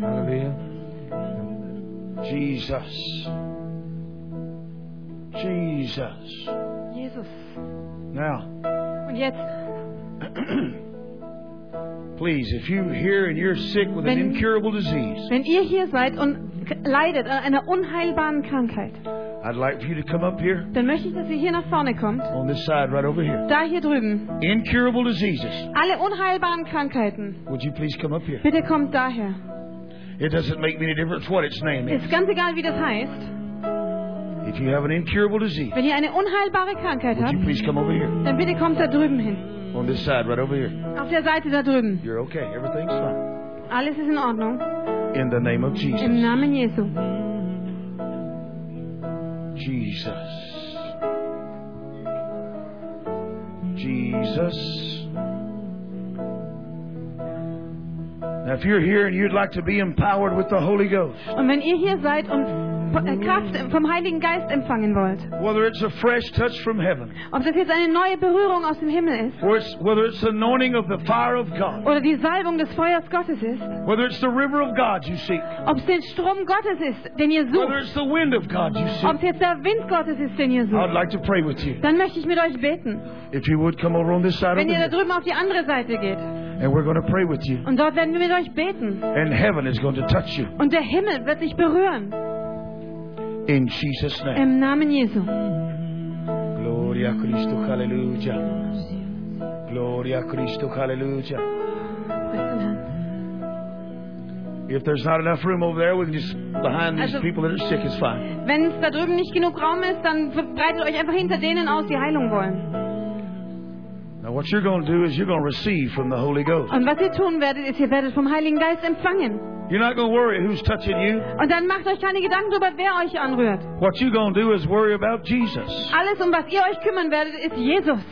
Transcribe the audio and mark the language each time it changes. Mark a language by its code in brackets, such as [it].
[en] Hallelujah. Jesus. Jesus. Jesus. Now. [de] Und jetzt. [en] Please, if you're here and you're sick with an incurable disease. [de] Wenn ihr hier seid und leidet an einer unheilbaren Krankheit. [en] I'd like for you to come up here. [de] Dann möchte ich, dass ihr hier nach vorne kommt. [en] On this side, right over here. [de] Da hier drüben. [en] Incurable diseases. [de] Alle unheilbaren Krankheiten. [en] Would you please come up here? [de] Bitte kommt daher. [en] It doesn't make any difference what its name is. [de] Ist ganz egal, wie das heißt. [en] If you have an incurable disease. [de] Wenn ihr eine unheilbare Krankheit habt. [en] Would you please come over here? [de] Dann bitte kommt da drüben hin. [en] On this side, right over here. [de] Auf der Seite da drüben. [en] You're okay. Everything's fine. [de] Alles ist in Ordnung. [en] In the name of Jesus. [de] Im Namen Jesu. [en] Jesus. [de] Jesus. [en] Now, if you're here and you'd like to be empowered with the Holy Ghost. [de] Und wenn ihr hier seid und Kraft vom Heiligen Geist empfangen wollt. [en] Whether it's a fresh touch from heaven. [de] Ob das jetzt eine neue Berührung aus dem Himmel ist. [en] Or it's, whether it's the anointing of the fire of God. [de] Oder die Salbung des Feuers Gottes ist. [en] Whether it's the river of God you seek. [de] Ob es den Strom Gottes ist, den ihr sucht. [en] Whether it's the wind of God you seek. [de] Ob es jetzt der Wind Gottes ist, den ihr sucht. [en] I'd like to pray with you. [de] Dann möchte ich mit euch beten. [en] If you would come over on this side. [de] Wenn ihr da drüben auf die andere Seite geht. [en] And we're going to pray with you. [de] Und dort werden wir mit euch beten. [en] And heaven is going to touch you. [de] Und der Himmel wird dich berühren. [en] In Jesus' name. [de] Im Namen Jesu. [es] Gloria a Cristo, hallelujah. Gloria a Cristo, hallelujah. [en] If there's not enough room over there, we can just behind these people that are sick, it's fine. [de] Wenn es da drüben nicht genug Raum ist, dann breitet euch einfach hinter denen aus, die Heilung wollen. [en] Now what you're going to do is you're going to receive from the Holy Ghost. [de] Und was ihr tun werdet, ist, ihr werdet vom Heiligen Geist empfangen. [en] You're not going to worry who's touching you. [de] Und dann macht euch keine Gedanken darüber, wer euch anrührt. [en] What you're going to do is worry about Jesus. [de] Alles, was ihr euch kümmern werdet, ist Jesus.